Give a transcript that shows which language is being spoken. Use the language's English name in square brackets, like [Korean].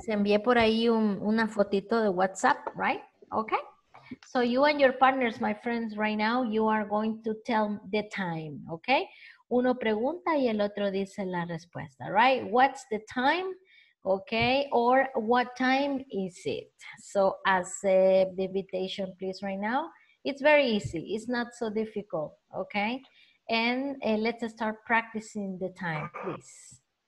[Spanish] Se envié por ahí una fotito de WhatsApp, right? [English] Okay? So you and your partners, my friends, right now, you are going to tell the time, okay? [Spanish] Uno pregunta y el otro dice la respuesta, right? [English] What's the time? Okay, or what time is it? So accept the invitation, please, right now. It's very easy. It's not so difficult, okay? And let's start practicing the time, please.